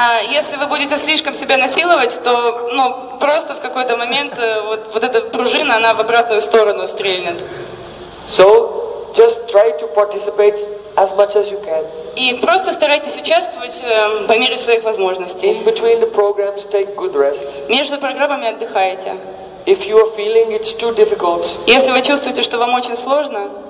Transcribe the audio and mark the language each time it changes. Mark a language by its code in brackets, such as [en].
[ru] если вы будете слишком себя насиловать, то просто в какой-то момент вот эта пружина она в обратную сторону стрельнет. [en] So just try to participate as much as you can. [ru] И просто старайтесь участвовать по мере своих возможностей. [en] In between the programs, take good rest. [ru] Между программами отдыхайте. [en] If you are feeling it's too difficult, [ru] если вы чувствуете, что вам очень сложно,